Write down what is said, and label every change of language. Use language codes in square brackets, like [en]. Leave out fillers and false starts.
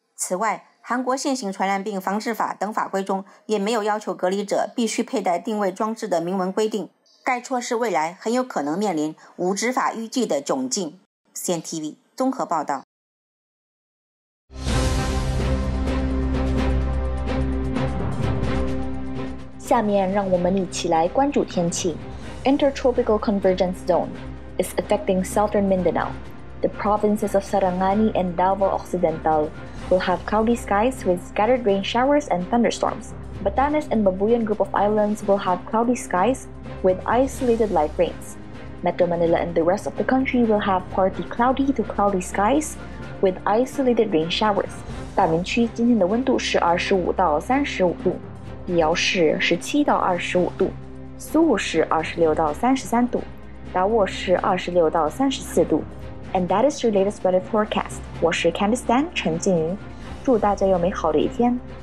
[zh] 此外，韩国现行传染病防治法等法规中也没有要求隔离者必须佩戴定位装置的明文规定，该措施未来很有可能面临无执法依据的窘境。 CNTV 综合报道。下面让我们一起来关注天气。 [en] Intertropical Convergence Zone is affecting Southern Mindanao. The provinces of Sarangani and Davao Occidental will have cloudy skies with scattered rain showers and thunderstorms. Batanes and Babuyan Group of Islands will have cloudy skies with isolated light rains. Metro Manila and the rest of the country will have partly cloudy to cloudy skies with isolated rain showers. [zh] 大明区今天的温度是25到35度，地窑市17到25度，苏武市26到33度，达沃市26到34度。 [en] And that is your latest weather forecast. [zh] 我是 Candice Dan 陈静云，祝大家有美好的一天。